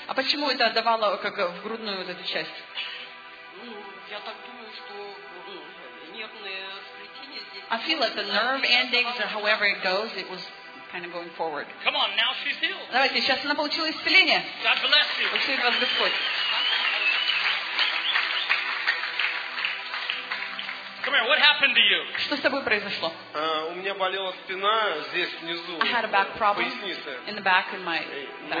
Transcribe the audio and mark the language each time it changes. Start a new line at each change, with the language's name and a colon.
Russian: А почему это отдавало как в грудную вот эту часть? Я так думаю, что нервные сплетения здесь.
English: I feel that the nerve endings or however it goes, it was kind of going forward. Come on, now she's healed.
Russian: Давайте, сейчас она получила исцеление.
English: God bless you.
Russian: Благодарю вас, Господь.
English: Come here, what happened to you?
Russian: Что с тобой произошло? У меня болела спина здесь внизу.
English: I had a back problem.
Russian: Поясница.
English: In the back, in my back.